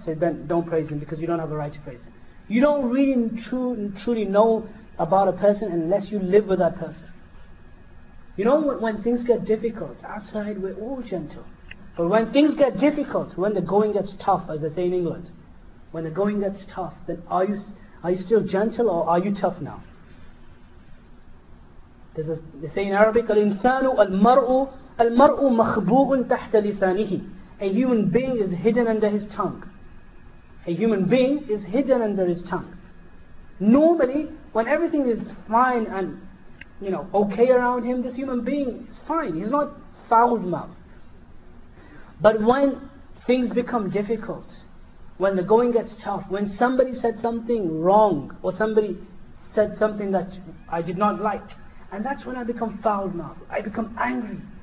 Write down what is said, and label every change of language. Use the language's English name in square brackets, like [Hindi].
[English] Said then don't praise him because you don't have a right to praise him. You don't really truly know about a person unless you live with that person. You know, when things get difficult, outside we're all gentle. But when things get difficult, when the going gets tough, as they say in England, when the going gets tough, then are you still gentle or are you tough now? They say in Arabic, [Arabic] الإنسان المرء مخبوغ تحت لسانه. [English] A human being is hidden under his tongue. A human being is hidden under his tongue. Normally, when everything is fine and, you know, okay around him, this human being is fine. He's not foul mouthed. But when things become difficult, when the going gets tough, when somebody said something wrong, or somebody said something that I did not like, and that's when I become foul mouthed, I become angry.